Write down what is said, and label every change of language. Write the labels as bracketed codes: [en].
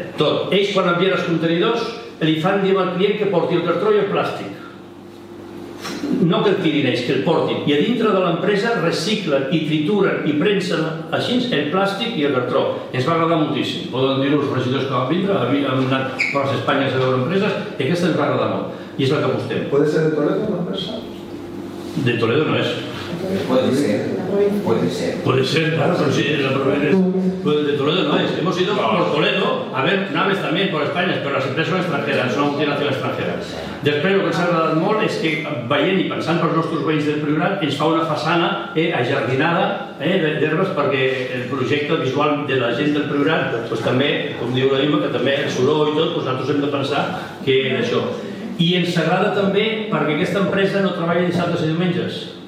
[ca] Tot, ells quan envien els contenidors li fan dir al client que porti el cartró i el plàstic, no que el tirin ells, que el portin, i a dintre de l'empresa reciclen i trituren i premsen així el plàstic i el cartró. Ens va agradar moltíssim, poden dir-ho els regidors que van vindre, a mi han anat per les Espanyes a veure empreses, i aquesta ens va agradar molt, i és la que apostem. [es] ¿Puede ser de Toledo una empresa? [ca] De Toledo no és. [es] Puede ser, claro, pero sí, de Toledo no es. Hemos ido por Toledo a ver naves también por España, pero las empresas son extranjeras, son multinacionales extranjeras. Después lo que nos ha agradado mucho es que [ca] veient [es] y pensando en nuestros [ca] veïns del Priorat, ens fa una façana ajardinada d'herbes perquè el projecte visual de la gent del Priorat, pues, també, com diu la Ima, que també el soroll i tot, pues, nosaltres hem de pensar que és això. I ens agrada també perquè aquesta empresa no treballa dissabtes i diumenges.